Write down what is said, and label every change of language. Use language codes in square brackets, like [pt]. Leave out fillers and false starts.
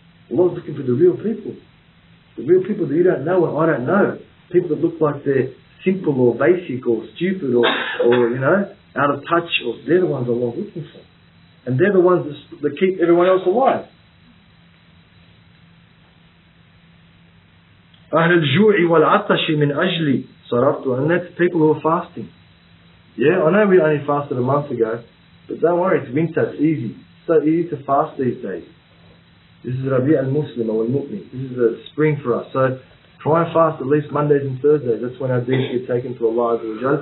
[en] Allah's looking for the real people. The real people that you don't know and I don't know. People that look like they're simple or basic or stupid or you know, out of touch, or they're the ones Allah's looking for. And they're the ones that keep everyone else alive. [ar] أهل الجوع والعطش من أجلي صرفت. [en] And that's people who are fasting. Yeah, I know we only fasted a month ago, but don't worry, it's winter, it's easy. It's so easy to fast these days. This is Rabi al-Muslim al-Mu'min. This is the spring for us. So try and fast at least Mondays and Thursdays. That's when our deen get taken to Allah Azza wa Jalla.